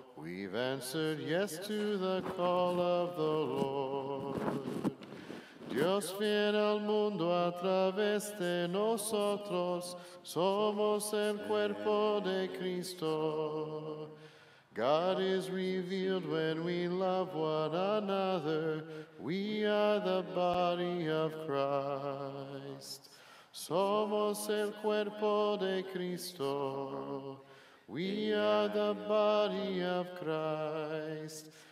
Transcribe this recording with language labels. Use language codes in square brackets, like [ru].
[en] We've answered yes to the call of the Lord. [es] Dios viene al mundo a través de nosotros, somos el cuerpo de Cristo. [en] God is revealed when we love one another, we are the body of Christ. [es] Somos el cuerpo de Cristo, [en] we are the body of Christ.